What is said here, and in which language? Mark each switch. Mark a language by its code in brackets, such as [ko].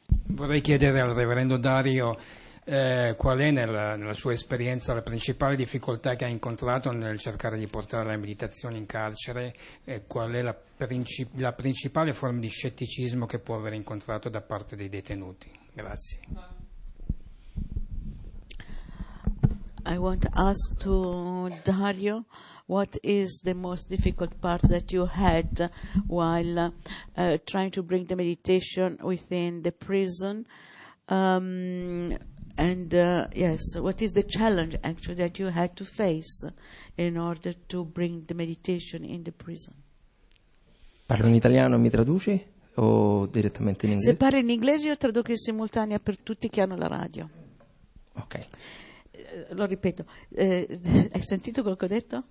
[it] Vorrei chiedere al Reverendo Dario qual è nella sua esperienza la principale difficoltà che ha incontrato nel cercare di portare la meditazione in carcere, e qual è la principale forma di scetticismo che può aver incontrato da parte dei detenuti. Grazie. [en] I want to ask to Dario, what is the most difficult part that you had while trying to bring the meditation within the prison? What is the challenge actually that you had to face in order to bring the meditation in the prison? [it] Parlo in italiano, mi traduci o direttamente in inglese? Se parli in inglese io traduco in simultanea per tutti che hanno la radio. Ok. Lo ripeto, hai sentito quello che ho detto?